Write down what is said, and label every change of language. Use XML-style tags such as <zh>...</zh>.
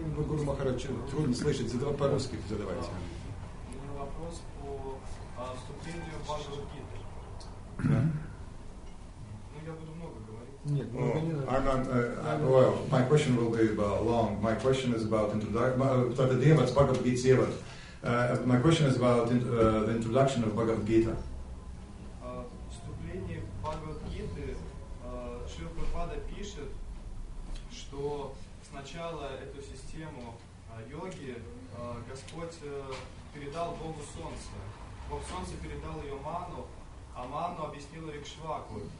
<ru>Гуру Махарадж, трудно слышать, задавай по-русски, задавайте. У меня вопрос по ступенью Бхагавад-гиты. Да. Ну, я буду много говорить. Нет, ну,</ru> <en>my question will be long. My question is about Бхагавад-гита. My question is about the introduction of Бхагавад-гита.</en> <ru>Вступление в Бхагавад-гиты, Шрила Прабхупада пишет, что сначала эту систему йоги Господь передал Богу Солнце. Бог Солнце передал ее Ману, а Ману объяснила Рикшваку.</ru>